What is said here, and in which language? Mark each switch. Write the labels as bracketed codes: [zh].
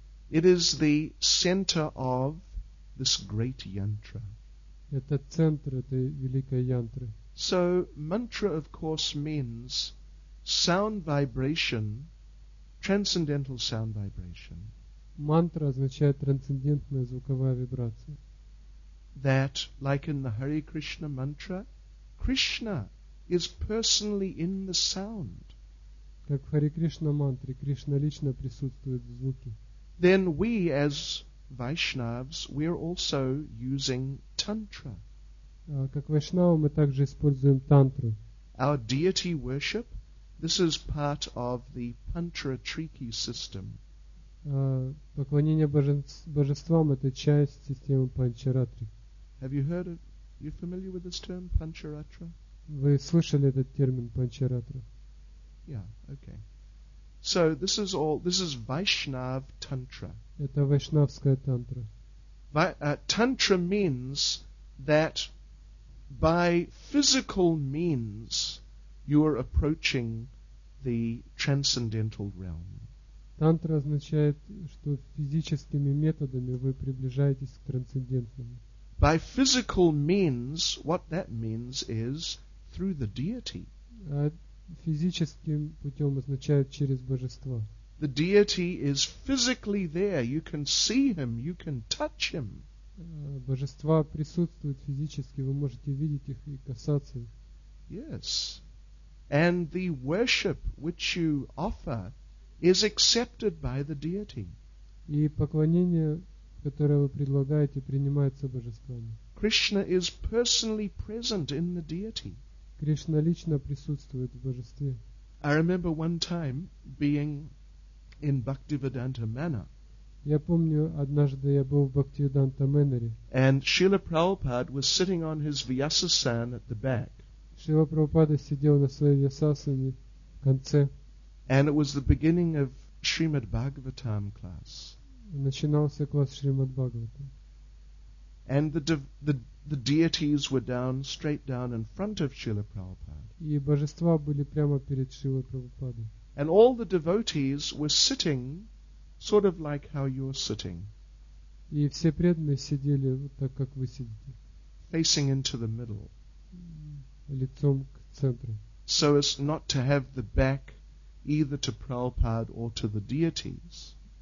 [en] It is the center of this great yantra. [ru] Это центр этой великой янтры. [en] So mantra, of course, means sound vibration, transcendental sound vibration. [ru] Мантра означает трансцендентная звуковая вибрация. [en] That, like in the Hare Krishna mantra, Krishna is personally in the sound. [ru] Как в Hare Krishna мантре, Кришна лично присутствует в звуке. [en] Then we as Vaishnavs, we are also using tantra. [ru] Как вайшнавы мы также используем тантру. [en] Our deity worship, this is part of the Pantratriki system. [ru] Поклонение божествам это часть системы Панчаратри. [en] Have you heard of, are you familiar with this term, Pancharatra? [ru] Вы слышали этот термин Панчаратра? [en] Yeah, okay. So this is all, this is Vaishnav Tantra. [ru] Это вайшнавская тантра. [en] Tantra means that by physical means you are approaching the transcendental realm. [ru] Тантра означает, что физическими методами вы приближаетесь к трансцендентному. [en] By physical means, what that means is through the deity. [ru] Физическим путем означает через божество. [en] The deity is physically there. You can see him. You can touch him. [ru] Божества присутствуют физически. Вы можете видеть их и касаться их. [en] Yes. And the worship which you offer is accepted by the deity. [ru] И поклонение, которое вы предлагаете, принимается божествами. [en] Krishna is personally present in the deity. [ru] Кришна лично присутствует в божестве. [en] I remember one time being in Bhaktivedanta Manor. [ru] Я помню, однажды я был в Бхактивиданта Мэннере. [en] And Srila Prabhupada was sitting on his Vyasasan at the back. [ru] Шрила Прабхупада сидел на своей Вьясасане в конце. [en] And it was the beginning of Shrimad Bhagavatam class. [ru] Начинался класс Шримад Бхагаватам. [en] And the deities were down, straight down in front of Srila Prabhupada. [ru] И божества были прямо перед Шрилой Прабхупадой. [en] And all the devotees were sitting, sort of like how you're sitting. [ru] И все преданные сидели вот так, как вы сидите. [en] Facing into the middle. [ru] Лицом к центру. [en] So as not to have the back either to Prabhupada or to the deities.